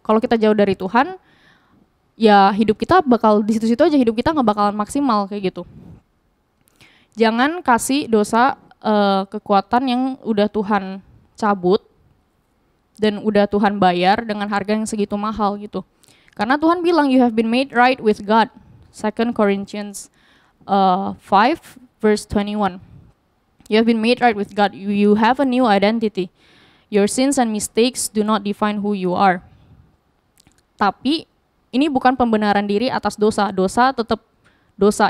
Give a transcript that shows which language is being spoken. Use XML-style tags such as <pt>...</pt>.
<id>Kalau kita jauh dari Tuhan, ya hidup kita bakal di situ-situ aja, hidup kita gak bakalan maksimal kayak gitu. Jangan kasih dosa kekuatan yang udah Tuhan cabut dan udah Tuhan bayar dengan harga yang segitu mahal gitu. Karena Tuhan bilang,</id> <en>you have been made right with God. 2 Corinthians 5 verse 21. You have been made right with God. You have a new identity. Your sins and mistakes do not define who you are.</en> <id>Tapi ini bukan pembenaran diri atas dosa. Dosa tetap dosa.</id>